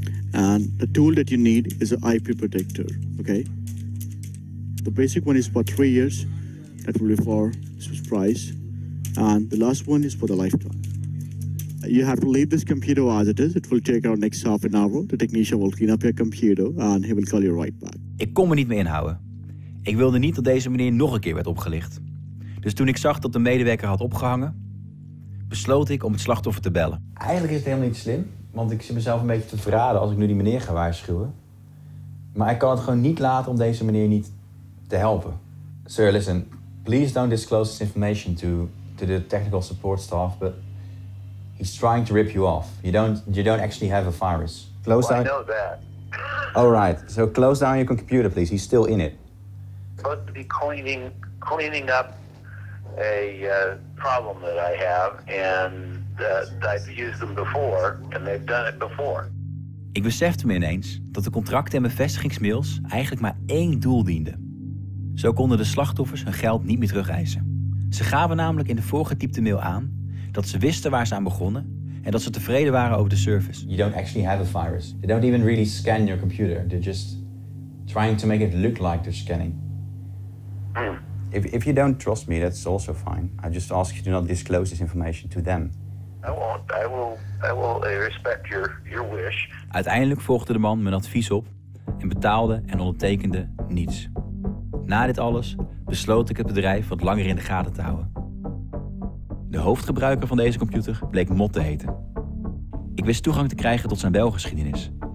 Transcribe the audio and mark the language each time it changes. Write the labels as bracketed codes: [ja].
[en] And the tool that you need is an IP protector, okay? The basic one is for 3 years, that will be for this price. And the last one is for the lifetime. You have to leave this computer as it is. It will take around next half an hour. The technician will clean up your computer and he will call you right back. [nl] Ik kon me niet meer inhouden. Ik wilde niet dat deze manier nog een keer werd opgelicht. Dus toen ik zag dat de medewerker had opgehangen, besloot ik om het slachtoffer te bellen. Eigenlijk is het helemaal niet slim, want ik zit mezelf een beetje te verraden als ik nu die meneer ga waarschuwen. Maar ik kan het gewoon niet laten om deze meneer niet te helpen. [en] Sir, listen, please don't disclose this information to the technical support staff, but he's trying to rip you off. You don't actually have a virus. Close down. I know that. All right. So close down your computer, please. He's still in it. Supposed to be cleaning up a problem that I have, and that I've used them before, and they've done it before. [nl] Ik besefte me ineens dat de contracten en bevestigingsmails eigenlijk maar één doel dienden. Zo konden de slachtoffers hun geld niet meer terugeisen. Ze gaven namelijk in de voorgetypte mail aan dat ze wisten waar ze aan begonnen en dat ze tevreden waren over de service. [en] You don't actually have a virus. They don't even really scan your computer. They're just trying to make it look like they're scanning. If you don't trust me, that's also fine. I just ask you to not disclose this information to them. I won't. I will respect your wish. [nl] Uiteindelijk volgde de man mijn advies op en betaalde en ondertekende niets. Na dit alles besloot ik het bedrijf wat langer in de gaten te houden. De hoofdgebruiker van deze computer bleek Mot te heten. Ik wist toegang te krijgen tot zijn belgeschiedenis.